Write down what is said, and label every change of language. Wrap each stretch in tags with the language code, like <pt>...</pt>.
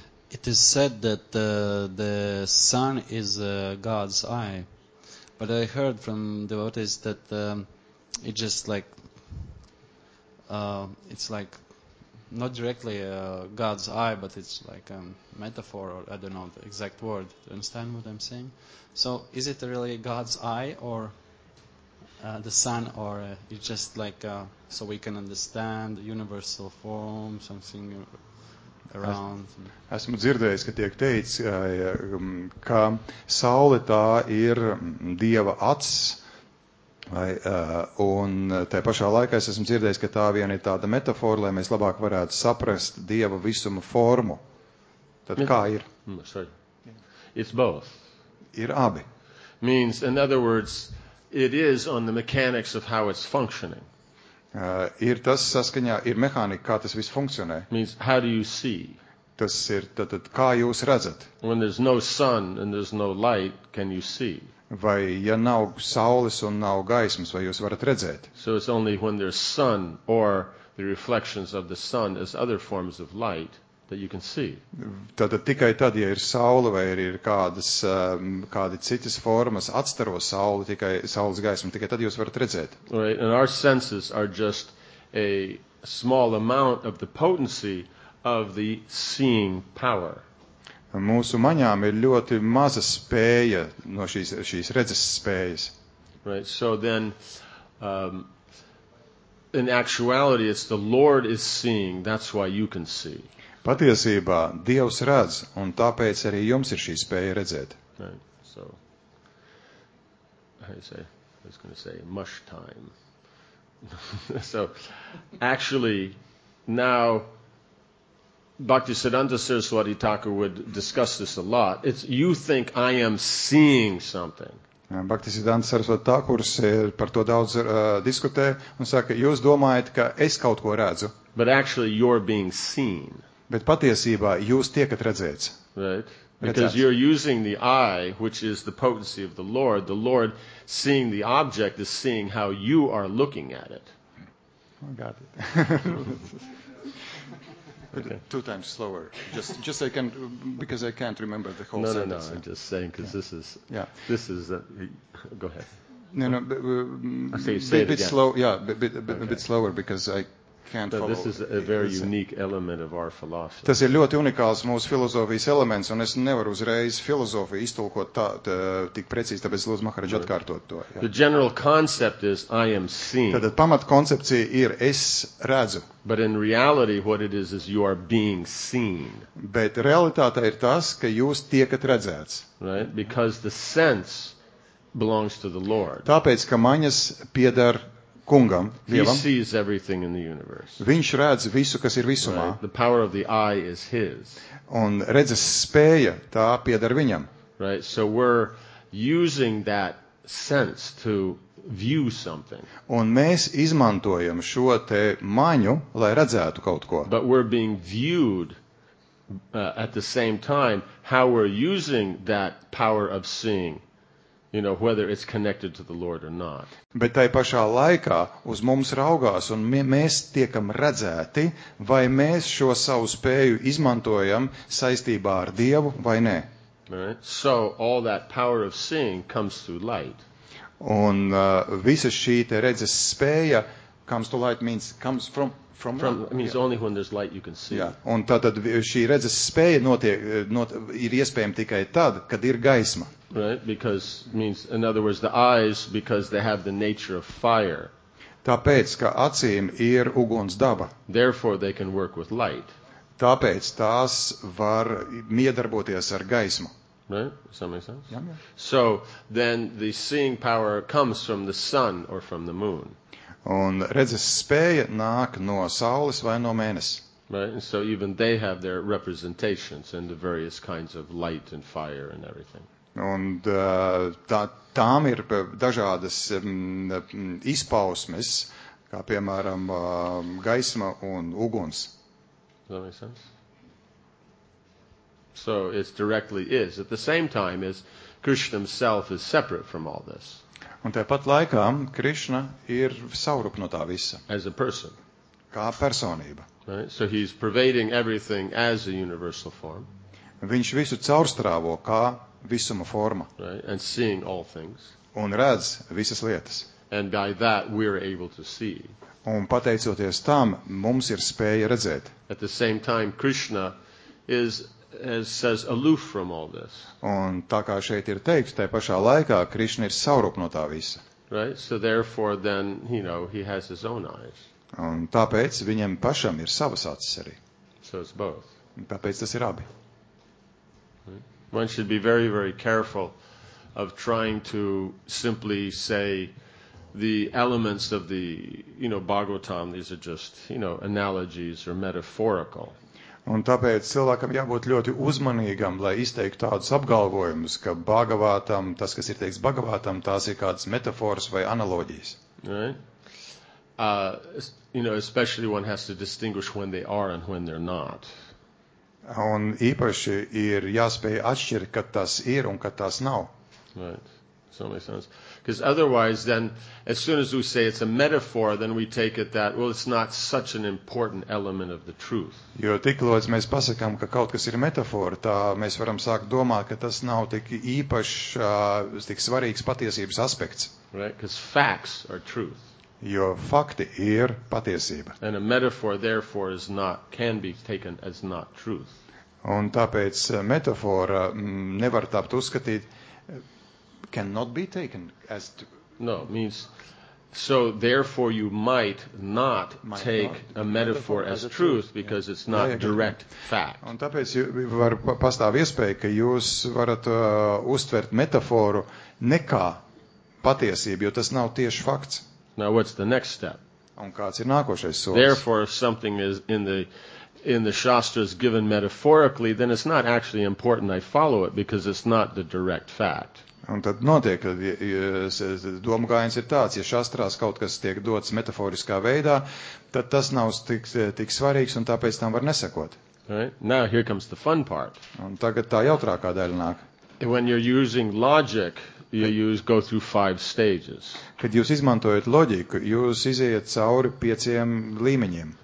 <en>It is said that the sun is God's eye, but I heard from devotees that it just like it's like not directly God's eye, but it's like a metaphor, or I don't know the exact word. Do you understand what I'm saying? So is it really God's eye or the sun, or it's just like so we can understand universal form, something?</en> <lv>Esmu dzirdējis, ka tiek teicis, ka saule tā ir Dieva acs, vai, un tajā pašā laikā es esmu dzirdējis, ka tā viena ir tāda metafora, lai mēs labāk varētu saprast Dieva visuma formu. Tad kā ir?</lv> <en>It's both.</en> <lv>Ir abi.</lv> <en>Means, in other words, it is on the mechanics of how it's functioning.</en> <lv>Ir tas saskaņā, ir mehānika, kā tas viss funkcionē.</lv> <en>Means, how do you see?</en> <lv>Tas ir, tad kā jūs redzat?</lv> <en>When there's no sun and there's no light, can you see?</en> <lv>Vai, ja nav saules un nav gaismas, vai jūs varat redzēt?</lv> <en>So it's only when there's sun or the reflections of the sun as other forms of light that you can see.</en> <lv>Tad tikai tad, ja ir saule vai ir kādas, kādi citas formas atstaro sauli, tikai saules gaismu, tikai tad jūs varat redzēt.</lv> <en>Right, and our senses are just a small amount of the potency of the seeing power.</en> <lv>Mūsu maņām ir ļoti maza spēja no šīs redzes spējas.</lv> <en>Right, so then in actuality it's the Lord is seeing, that's why you can see.</en> <lv>Patiesībā Dievs redz, un tāpēc arī jums ir šī spēja redzēt.</lv> <en>Right. So, I was going to say mush time. So, actually, now, Bhaktisiddhanta Saraswati Thakur would discuss this a lot. It's, you think I am seeing something.</en> <lv>Bhaktisiddhanta Saraswati Thakur par to daudz diskutē, un saka, jūs domājat, ka es kaut ko redzu.</lv> <en>But actually, you're being seen.</en> <lv>Bet patiesībā jūs tiekat redzēts.</lv> <en>Right. Because you're using the eye, which is the potency of the Lord. The Lord seeing the object is seeing how you are looking at it. I got it. Okay. Two times slower. Just I can, because I can't remember the whole sentence. No, I'm just saying, because this is, this is, go ahead. No, a bit slower, because I, can't follow. This is a very unique element of our philosophy.</en> <lv>Tas ir ļoti unikāls mūsu filozofijas elements, un es nevaru uzreiz filozofiju iztulkot tik precīzi, tāpēc lūdzu Maharadžu atkārtot to.</lv> <en>Ja. The general concept is I am seeing.</en> <lv>Tātad pamat koncepcija ir es redzu.</lv> <en>But in reality what it is you are being seen.</en> <lv>Bet realitāte ir tas, ka jūs tiekat redzēts.</lv> <en>Right? Because the sense belongs to the Lord.</en> <lv>Tāpēc, ka maņas pieder Kungam, Dievam.</lv> <en>He sees everything in the universe.</en> <lv>Viņš redz visu, kas ir visumā.</lv> <en>Right? The power of the eye is his.</en> <lv>Un redzes spēja, tā pieder viņam.</lv> <en>Right? So we're using that sense to view something.</en> <lv>Un mēs izmantojam šo te maņu, lai redzētu kaut ko.</lv> <en>But we're being viewed at the same time how we're using that power of seeing, you know, whether it's connected to the Lord or not.</en> <lv>Bet tai pašā laikā uz mums raugās un mēs tiekam redzēti, vai mēs šo savu spēju izmantojam saistībā ar Dievu vai nē.</lv> <en>Right. So all that power of seeing comes through light.</en> <lv>Un visa šī te redzes spēja</lv> <en>comes to light means comes from light. Means yeah. Only when there's light you can see. Yeah.</en> <lv>Un tātad šī redzes spēja ir iespējama tikai tad, kad ir gaisma.</lv> <en>Right, because means in other words the eyes because they have the nature of fire.</en> <lv>Tāpēc ka acīm ir uguns daba.</lv> <en>Therefore they can work with light.</en> <lv>Tāpēc tās var miedarboties ar gaismu.</lv> <en>Right? Does that make sense? Yeah, yeah. So then the seeing power comes from the sun or from the moon.</en> <lv>Un redzes spēja nāk no saules vai no mēness.</lv> <en>Right? And so even they have their representations in the various kinds of light and fire and everything.</en> <lv>Un tām ir dažādas izpausmes, kā piemēram gaisma un uguns.</lv> <en>Does that make sense? So it's directly is. At the same time, is Krishna himself is separate from all this.</en> <lv>Un tāpat laikā, Krishna ir savrup no tā visa.</lv> <en>As a person.</en> <lv>Kā personība.</lv> <en>Right? So he's pervading everything as a universal form.</en> <lv>Viņš visu caurstrāvo kā visuma forma.</lv> <en>Right? And seeing all things.</en> <lv>Un redz visas lietas.</lv> <en>And by that we are able to see.</en> <lv>Un pateicoties tam, mums ir spēja redzēt.</lv> <en>At the same time, Krishna is, as says, aloof from all this.</en> <lv>Un tā kā šeit ir teikts, tajā pašā laikā Krishna ir savrup no tā visa.</lv> <en>Right? So therefore, then, you know, he has his own eyes.</en> <lv>Un tāpēc viņam pašam ir savas acis arī.</lv> <en>So it's both.</en> <lv>Un tāpēc tas ir abi.</lv> <en>Right? One should be very, very careful of trying to simply say, the elements of the, you know, Bhagavatam, these are just, you know, analogies or metaphorical.</en> <lv>Un tāpēc cilvēkam jābūt ļoti uzmanīgam, lai izteiktu tādus apgalvojumus, ka Bhagavatam, tas, kas ir teiks Bhagavatam, tās ir kādas metaforas vai analogijas.</lv> <en>Right? You know, especially one has to distinguish when they are and when they're not.</en> <lv>Un īpaši ir jāspēj atšķirt, kad tas ir un kad tas nav.</lv> <en>Right. So makes sense. Because otherwise, then, as soon as we say it's a metaphor, then we take it that, well, it's not such an important element of the truth.</en> <lv>Jo tiklodz mēs pasakām, ka kaut kas ir metafora, tā mēs varam sākt domāt, ka tas nav tik īpašs, tik svarīgs patiesības aspekts.</lv> <en>Right, because facts are truth.</en> <lv>Jo fakti ir patiesība.</lv> <en>And a metaphor, therefore, is not, can be taken as not truth.</en> <lv>Un tāpēc metafora nevar tāpt uzskatīt,</lv> <en>cannot be taken as to... No, means, so therefore you might take not a metaphor as truth, because yeah. It's not yeah, yeah, direct yeah. Fact.</en> <lv>Un tāpēc var pastāv iespēja, ka jūs varat uztvert metaforu nekā patiesību, jo tas nav tieši fakts.</lv> <en>Now, what's the next step?</en> <lv>Un kāds ir nākošais solis?</lv> <en>Therefore, if something is in the Shastras given metaphorically, then it's not actually important I follow it, because it's not the direct fact.</en> <lv>Un tad notiek, ka domgājums ir tāds, ja šastrās kaut kas tiek dots metaforiskā veidā, tad tas nav tik svarīgs un tāpēc tam var nesakot.</lv> <en>Right. Now here comes the fun part.</en> <lv>Un tagad tā jautrākā daļa nāk.</lv> <en>When you're using logic, you go through 5 stages.</en> <lv>Kad jūs izmantojat loģiku, jūs iziet cauri 5 līmeņiem.</lv>